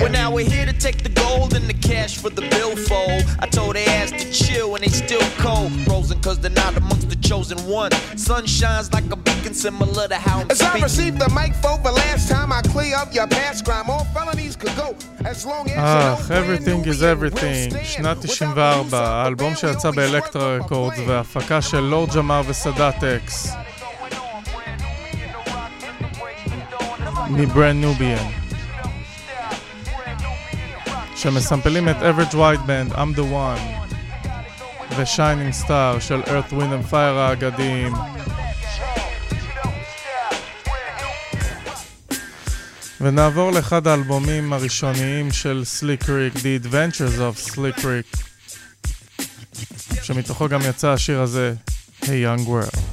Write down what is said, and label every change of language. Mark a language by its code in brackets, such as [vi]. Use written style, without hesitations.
[en] Well now we're here to take the gold and the cash for the billfold. I told they ass to chill and they still cold. Frozen cause they're not amongst the chosen one. Sun shines like a beacon similar to how I'm as speaking. As I receive the mic for the last time I clear up your past crime. All felonies could go as long as everything is everything. [he] שנת 94, האלבום שיצא באלקטרה רקורד והפקה של לורד ג'מר וסדאט אקס. מברנד נוביאן. שמסמפלים את Average White Band, I'm the One. ו-Shining Star של Earth, Wind and Fire האגדים. ונעבור לאחד האלבומים הראשוניים של Slick Rick, The Adventures of Slick Rick. שמתוכו גם יצא השיר הזה, Hey Young World.